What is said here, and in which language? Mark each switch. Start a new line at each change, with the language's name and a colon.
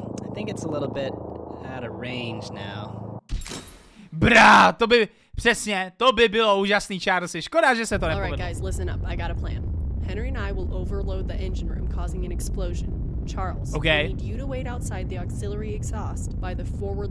English: I think it's a little bit out of range now.
Czech: Bra, to by, přesně, to by bylo úžasný, Charles. Škoda, že se to nepovedlo.
English: Alright guys, listen up, I got a plan. Henry and I will overload the engine room, causing an explosion. Charles, okay. We need you to wait outside the auxiliary exhaust by the forward.